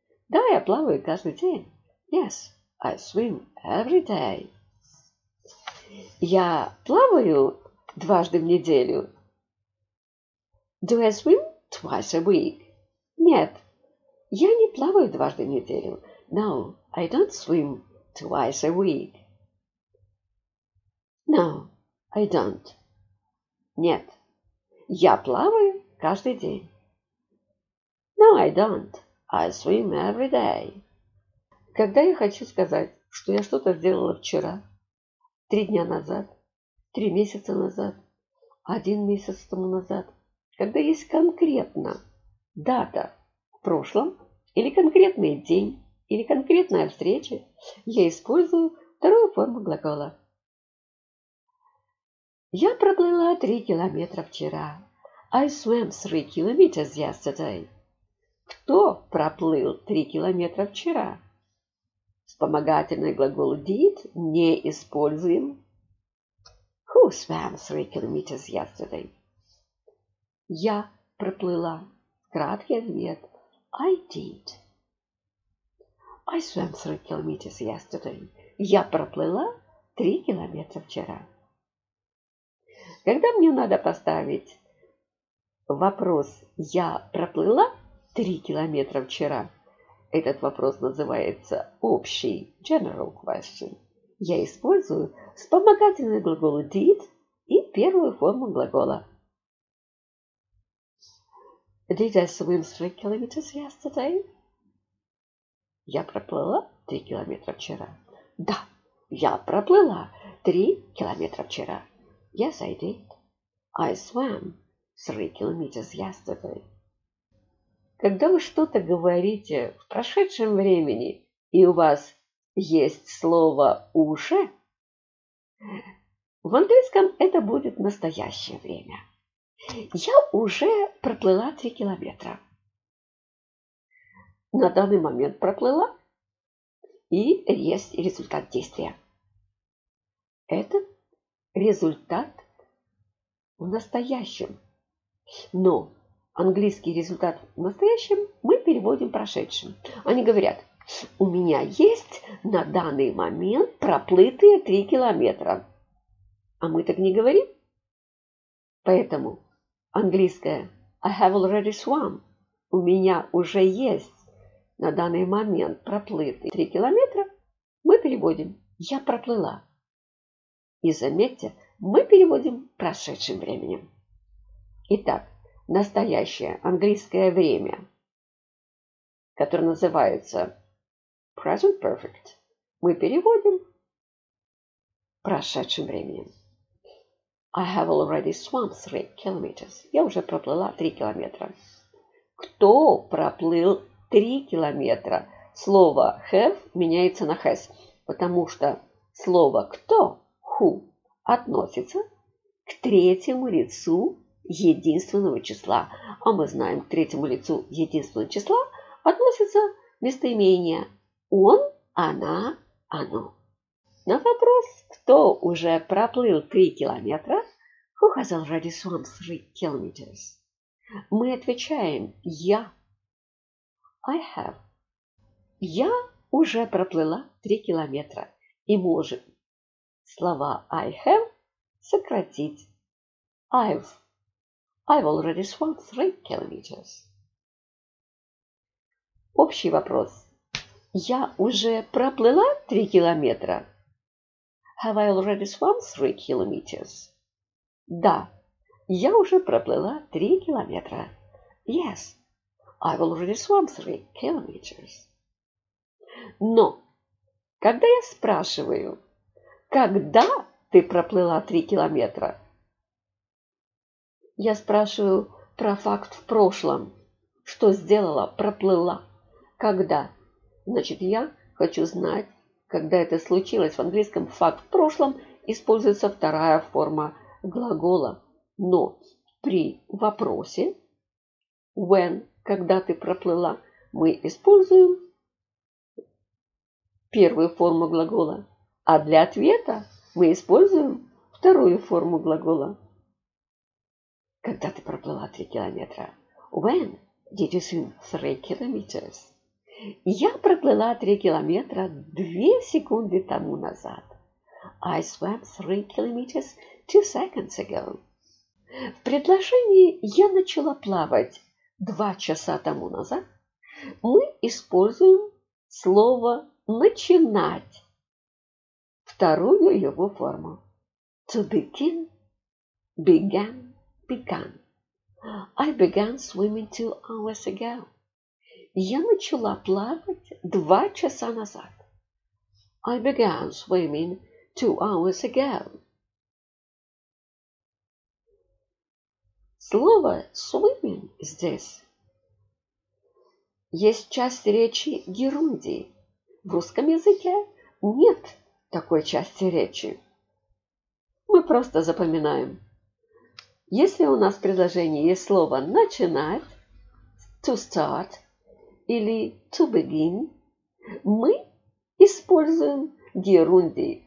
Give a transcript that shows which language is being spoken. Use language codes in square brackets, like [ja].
[ru] Да, я плаваю каждый день. [en] Yes, I swim every day. [ru] Я плаваю дважды в неделю. [en] Do I swim twice a week? [ru] Нет, я не плаваю дважды в неделю. [en] No, I don't swim twice a week. No, I don't. [ru] Нет, я плаваю каждый день. [en] No, I don't. I swim every day. [ru] Когда я хочу сказать, что я что-то сделала вчера, 3 дня назад, 3 месяца назад, 1 месяц тому назад, когда есть конкретно дата в прошлом, или конкретный день, или конкретная встреча, я использую вторую форму глагола. Я проплыла 3 километра вчера. [en] I swam 3 kilometers yesterday. [ru] Кто проплыл 3 километра вчера? Вспомогательный глагол did не используем. [en] Who swam 3 kilometers yesterday? [ru] Я проплыла. Краткий ответ. [en] I did. I swam 3 kilometers yesterday. [ru] Я проплыла 3 километра вчера. Когда мне надо поставить вопрос «Я проплыла 3 километра вчера?», этот вопрос называется общий, [en] general question. [ru] Я использую вспомогательный глагол did и первую форму глагола. [en] Did I swim 3 kilometers yesterday? [ru] Я проплыла 3 километра вчера. Да, я проплыла 3 километра вчера. [en] Yes, I did. I swam 3 kilometers yesterday. [ru] Когда вы что-то говорите в прошедшем времени, и у вас есть слово «уже», в английском это будет настоящее время. Я уже проплыла 3 километра. На данный момент проплыла, и есть результат действия. Это результат в настоящем. Но английский результат в настоящем мы переводим в прошедшем. Они говорят, у меня есть на данный момент проплытые 3 километра. А мы так не говорим. Поэтому английское [en] I have already swum. [ru] У меня уже есть на данный момент проплытые 3 километра. Мы переводим я проплыла. И заметьте, мы переводим прошедшим временем. Итак, настоящее английское время, которое называется present perfect, мы переводим прошедшим временем. [en] I have already swum 3 kilometers. [ru] Я уже проплыла 3 километра. Кто проплыл 3 километра? Слово have меняется на has, потому что слово кто, who, относится к третьему лицу единственного числа. А мы знаем, к третьему лицу единственного числа относится местоимение он, она, оно. На вопрос, кто уже проплыл 3 километра, [en] who has already swum 3 kilometers, [ru] мы отвечаем я. [en] I have. [ru] Я уже проплыла 3 километра. И можем слова [en] I have [ru] сократить. [en] I've already swum 3 kilometers. [ru] Общий вопрос. Я уже проплыла 3 километра. [en] Have I already swum 3 kilometers? [ru] Да, я уже проплыла 3 километра. [en] Yes, I've already swum 3 kilometers. [ru] Но, когда я спрашиваю, когда ты проплыла 3 километра? Я спрашиваю про факт в прошлом. Что сделала? Проплыла. Когда? Значит, я Хочу знать, когда это случилось. В английском «факт» в прошлом используется вторая форма глагола. Но при вопросе «when» – «когда ты проплыла» мы используем первую форму глагола. А для ответа мы используем вторую форму глагола. Когда ты проплыла 3 километра? [en] When did you swim 3 kilometers? [ru] Я проплыла 3 километра 2 секунды тому назад. [en] I swam 3 kilometers 2 seconds ago. [ru] В предложении «я начала плавать 2 часа тому назад» мы используем слово «начинать». Вторую его форму. [en] To begin, began, began. I began swimming 2 hours ago. [ru] Я начала плавать 2 часа назад. [en] I began swimming 2 hours ago. [ru] Слово swimming здесь есть часть речи герундий. В русском языке нет такой части речи. Мы просто запоминаем. Если у нас в предложении есть слово «начинать», [en] «to start» [ru] или [en] «to begin», [ru] мы используем герундий.